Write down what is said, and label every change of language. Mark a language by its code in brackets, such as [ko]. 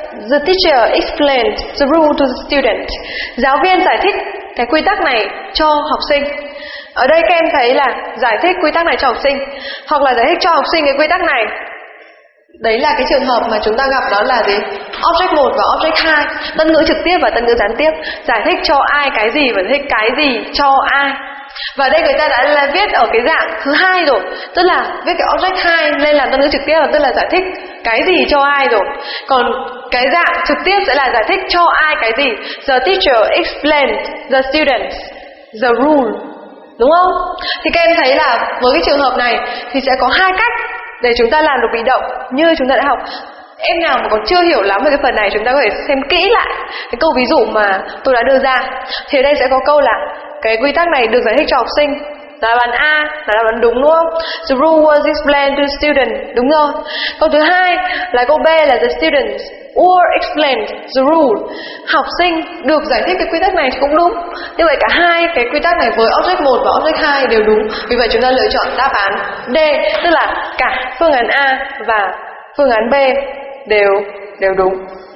[en] The teacher explained the rule to the student. [vi] Giáo viên giải thích cái quy tắc này cho học sinh. Ở đây các em thấy là giải thích quy tắc này cho học sinh, hoặc là giải thích cho học sinh cái quy tắc này. Đấy là cái trường hợp mà chúng ta gặp, đó là gì? Object 1 và Object 2. Tân ngữ trực tiếp và tân ngữ gián tiếp. Giải thích cho ai cái gì và giải thích cái gì cho ai. Và đây người ta đã là viết ở cái dạng thứ hai rồi, tức là viết cái object 2 lên làm tân ngữ trực tiếp, tức là giải thích cái gì cho ai rồi. Còn cái dạng trực tiếp sẽ là giải thích cho ai cái gì. [en] The teacher explained the students the rule, [vi] đúng không? Thì các em thấy là với cái trường hợp này thì sẽ có hai cách để chúng ta làm được bị động như chúng ta đã học. Em nào mà còn chưa hiểu lắm về cái phần này, chúng ta có thể xem kỹ lại cái câu ví dụ mà tôi đã đưa ra. Thì ở đây sẽ có câu là cái quy tắc này được giải thích cho học sinh, đáp án A là đáp án đúng, đúng không? [en] The rule was explained to students, [vi] đúng rồi. Câu thứ hai là câu B là [en] the students were explained the rule, [vi] học sinh được giải thích cái quy tắc này thì cũng đúng. Như vậy cả hai cái quy tắc này với object 1 và object 2 đều đúng. Vì vậy chúng ta lựa chọn đáp án D, tức là cả phương án A và phương án B đều đúng.